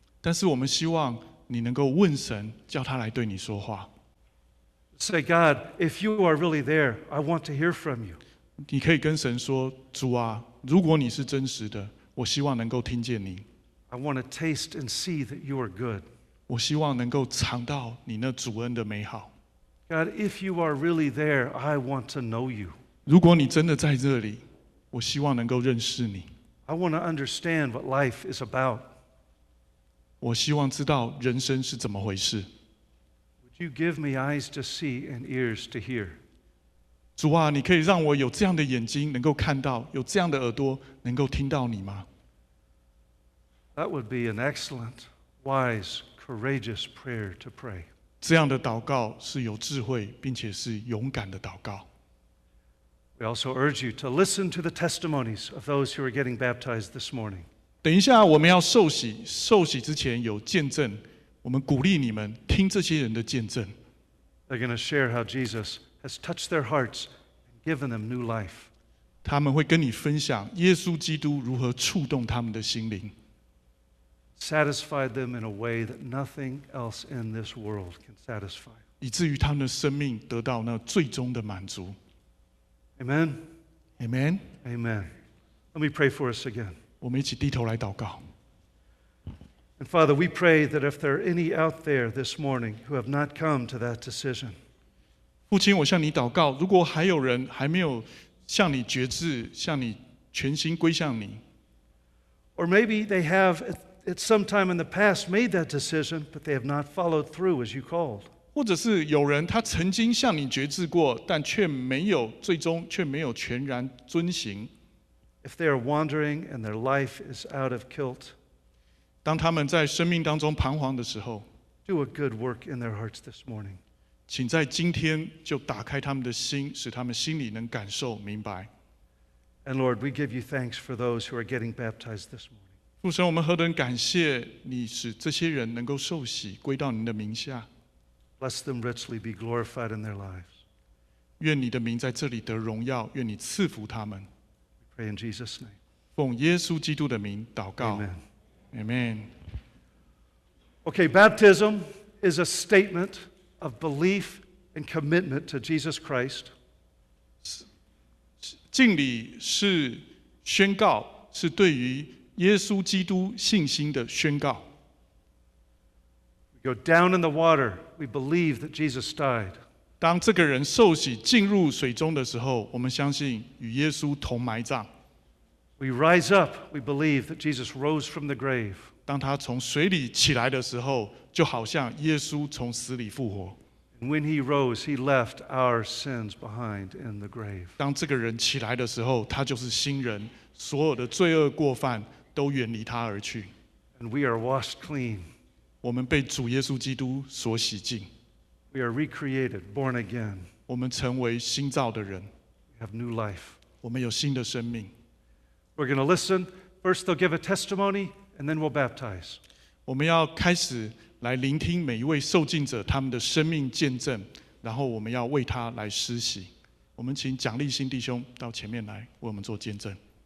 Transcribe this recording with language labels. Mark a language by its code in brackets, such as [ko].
[zh] 但是我们希望你能够问神，叫他来对你说话。 [en] Say, God, if you are really there, I want to hear from you. [zh] 你可以跟神说，主啊，如果你是真实的，我希望能够听见你。 [en] I want to taste and see that you are good. [zh] 我希望能够尝到你那主恩的美好。 [en] God, if you are really there, I want to know you. [zh] 如果你真的在这里，我希望能够认识你。 [en] I want to understand what life is about. [zh] 我希望知道人生是怎么回事。 [en] Would you give me eyes to see and ears to hear? [zh] 主啊，你可以让我有这样的眼睛能够看到，有这样的耳朵能够听到你吗？ [en] That would be an excellent, wise, courageous prayer to pray. [zh] 这样的祷告是有智慧并且是勇敢的祷告。 [en] We also urge you to listen to the testimonies of those who are getting baptized this morning. [zh] 等一下我们要受洗，受洗之前有见证，我们鼓励你们听这些人的见证。 [en] They're going to share how Jesus has touched their hearts and given them new life. [zh] 他们会跟你分享耶稣基督如何触动他们的心灵。 [en] Satisfied them in a way that nothing else in this world can satisfy. [zh] 以至于他们的生命得到那最终的满足。 [en] Amen. Amen. Amen. Let me pray for us again. [zh] 我们一起低头来祷告。 [en] And Father, we pray that if there are any out there this morning who have not come to that decision, [zh] 父亲，我向你祷告，如果还有人还没有向你决志，向你全心归向你 [en] ，or maybe they have. It's sometime in the past made that decision, but they have not followed through as you called. [zh] 或者是有人他曾经向你决志过，但却没有最终却没有全然遵行。 [en] If they are wandering and their life is out of kilt, [zh] 当他们在生命当中彷徨的时候 [en] ，do a good work in their hearts this morning. [zh] 请在今天就打开他们的心，使他们心里能感受明白。 [en] And Lord, we give you thanks for those who are getting baptized this morning. [zh] 父神，我们何等感谢你使这些人能够受洗归到您的名下。 [en] Bless them richly, be glorified in their lives. [zh] 愿你的名在这里得荣耀，愿你赐福他们。 [en] We pray in Jesus' name. [zh] 奉耶稣基督的名祷告。 [en] Amen. Amen. Okay, baptism is a statement of belief and commitment to Jesus Christ. [zh] 浸礼是宣告，是对于耶稣基督信心的宣告。 [en] We go down in the water, we believe that Jesus died. [zh] 当这个人受洗进入水中的时候，我们相信与耶稣同埋葬。 [en] We rise up, we believe that Jesus rose from the grave. [zh] 当他从水里起来的时候，就好像耶稣从死里复活。 [en] And when he rose, he left our sins behind in the grave. [zh] 当这个人起来的时候，他就是新人，所有的罪恶过犯都远离他而去。 [en] And we are washed clean. [zh] 我们被主耶稣基督所洗净。 [en] We are recreated, born again. [zh] 我们成为新造的人。 [en] We have new life. [zh] 我们有新的生命。 [en] We're going to listen. First, they'll give a testimony, and then we'll baptize. [zh] 我们要开始来聆听每一位受浸者他们的生命见证，然后我们要为他来施洗。我们请蒋立新弟兄到前面来为我们做见证。